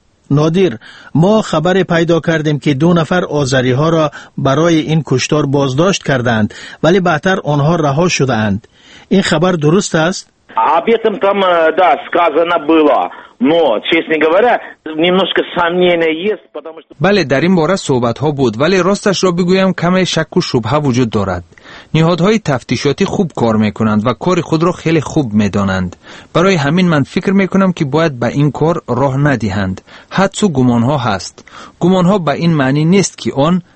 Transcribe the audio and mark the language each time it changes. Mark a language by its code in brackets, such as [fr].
[fa] نادر ما خبر پیدا کردیم که دو نفر آذری ها را برای این کشتار بازداشت کردند ولی بعدتر آنها رها شده اند این خبر درست است؟ [ru] Об этом там, да, сказано было, но, честно говоря, немножко сомнения есть, потому что... [fa] Бале, در این باره صحبت ها بود, ولی راستش را بگویم کمی شک و شبهه وجود دارد. نهادهای تفتیشاتی خوب کار میکنند و کار خود را خیلی خوب میدانند. برای همین من فکر میکنم که باید به این کار راه ندهند. حدس و گمان ها هست. گمان ها به این معنی نیست که آن